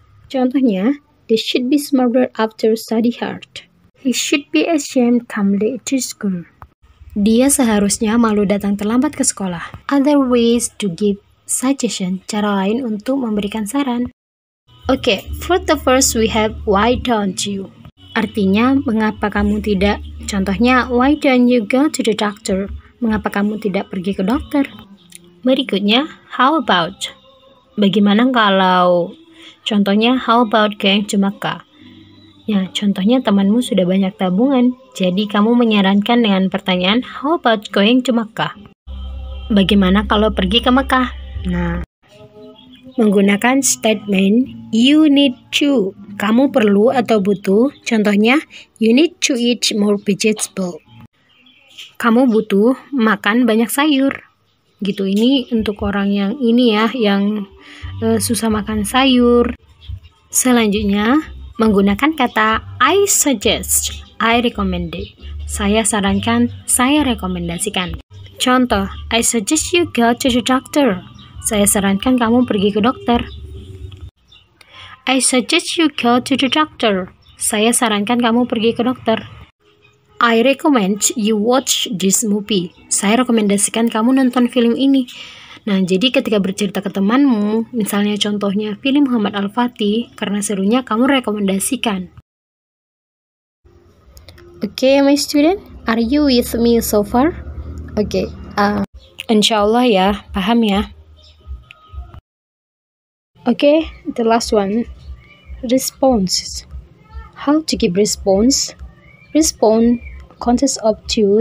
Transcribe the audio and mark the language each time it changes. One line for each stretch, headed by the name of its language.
Indonesian: Contohnya,
English: they should be smarter after study hard. He should be ashamed come late to school.
Indonesian: Dia seharusnya malu datang terlambat ke sekolah.
English: Other ways to give suggestion,
Indonesian: cara lain untuk memberikan saran.
English: Okay, for the first we have why don't you?
Indonesian: Artinya, mengapa kamu tidak? Contohnya,
English: why don't you go to the doctor?
Indonesian: Mengapa kamu tidak pergi ke dokter? Berikutnya,
English: how about?
Indonesian: Bagaimana kalau? Contohnya,
English: how about going to Mecca?
Indonesian: Ya, contohnya temanmu sudah banyak tabungan, jadi kamu menyarankan dengan pertanyaan
English: how about going to Mecca?
Indonesian: Bagaimana kalau pergi ke Mecca? Nah, menggunakan statement
English: you need to.
Indonesian: Kamu perlu atau butuh, contohnya
English: you need to eat more vegetables.
Indonesian: Kamu butuh makan banyak sayur. Gitu, ini untuk orang yang ini ya, yang susah makan sayur. Selanjutnya, menggunakan kata
English: I suggest, I recommend it.
Indonesian: Saya sarankan, saya rekomendasikan. Contoh,
English: I suggest you go to the doctor.
Indonesian: Saya sarankan kamu pergi ke dokter.
English: I suggest you go to the doctor.
Indonesian: Saya sarankan kamu pergi ke dokter.
English: I recommend you watch this movie.
Indonesian: Saya rekomendasikan kamu nonton film ini. Nah, jadi ketika bercerita ke temanmu, misalnya contohnya film Muhammad Al-Fatih, karena serunya kamu rekomendasikan.
English: Okay, my student, are you with me so far?
Indonesian: Okay, insyaallah ya, paham ya.
English: Okay, the last one, responses. How to give response? Response consists of two.